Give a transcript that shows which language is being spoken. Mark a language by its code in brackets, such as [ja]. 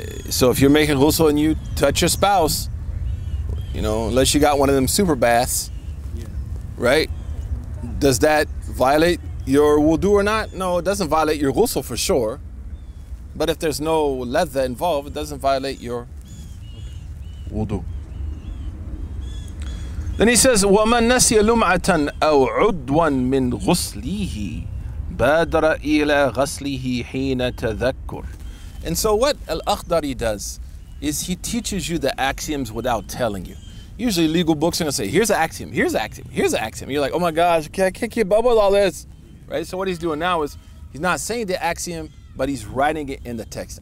[en] So if you're making ghusl and you touch your spouse, you know, unless you got one of them super baths, yeah. Right? Does that violate your wudu or not? No, it doesn't violate your ghusl for sure. But if there's no ladha involved, it doesn't violate your wudu. Then he says, [ar] وَمَنْ نَسِيَ لُمْعَةً أَوْ عُدْوًا مِنْ غُسْلِهِ بَادَرَ إِلَى غَسْلِهِ حِينَ تَذَكُّرٍ. [en] And so what Al-Akhdari does is he teaches you the axioms without telling you. Usually legal books are going to say, here's an axiom, here's an axiom, here's an axiom. You're like, oh my gosh, I can't keep up with all this. Right? So what he's doing now is he's not saying the axiom, but he's writing it in the text.